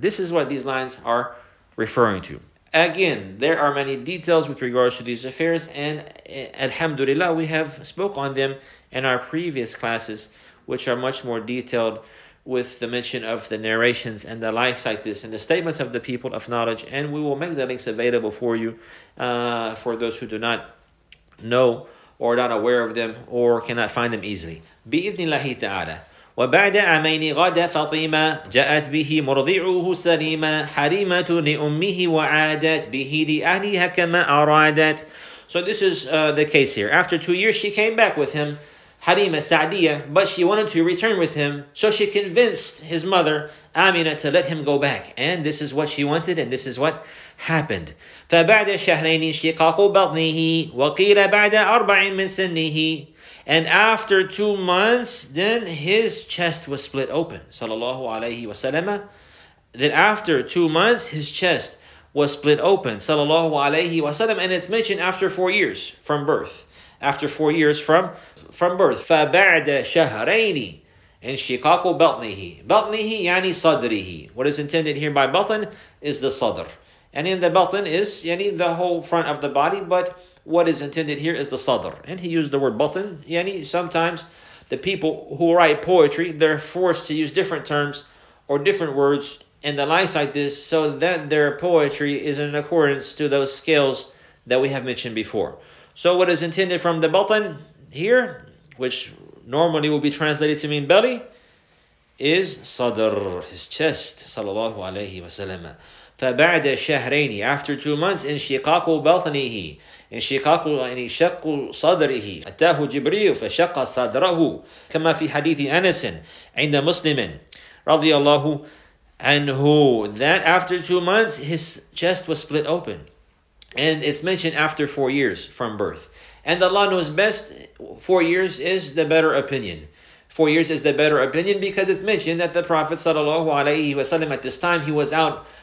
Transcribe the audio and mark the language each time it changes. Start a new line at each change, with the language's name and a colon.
English: This is what these lines are referring to. Again, there are many details with regards to these affairs, and alhamdulillah, we have spoke on them in our previous classes, which are much more detailed with the mention of the narrations and the likes like this, and the statements of the people of knowledge, and we will make the links available for you for those who do not know or not aware of them or cannot find them easily.
Arabic: Bi-idhnillahi ta'ala. وبعد عامين غدا فاطمة جاءت به مرضعه سليمة حريمة لأمه وعادت به لأهلها كما أرادت.
English: So this is the case here. After 2 years, she came back with him, Harima Sa'diya, but she wanted to return with him, so she convinced his mother, Amina, to let him go back. And this is what she wanted, and this is what happened.
Arabic: فبعد شهرين شقاق بطنه وقيل بعد أربع من سنه.
English: And after 2 months, then his chest was split open, sallallahu alayhi wa sallam. Then after 2 months, his chest was split open, sallallahu alayhi wa sallam. And it's mentioned after 4 years from birth. After 4 years from birth.
Arabic: فَبَعْدَ شَهْرَيْنِ إِنْ شِقَاقُ بَطْنِهِ بَطْنِهِ يَعْنِي صَدْرِهِ.
English: What is intended here by batn is the sadr. And in the batn is yani the whole front of the body, but what is intended here is the sadr. And he used the word batn. Yani sometimes the people who write poetry, they're forced to use different terms or different words and the likes like this so that their poetry is in accordance to those scales that we have mentioned before. So what is intended from the batn here, which normally will be translated to mean belly, is sadr, his chest, sallallahu alayhi wa sallam.
Arabic: فبعد شهرين,
English: after 2 months,
Arabic: in شقاق بطنه, in شقاق يعني شق صدره, أتاه جبريل فشق صدره, كما في حديث أنس عند مسلم رضي الله عنه.
English: That after 2 months, his chest was split open. And it's mentioned after 4 years from birth. And Allah knows best, 4 years is the better opinion. 4 years is the better opinion because it's mentioned that the Prophet ﷺ at this time, he was out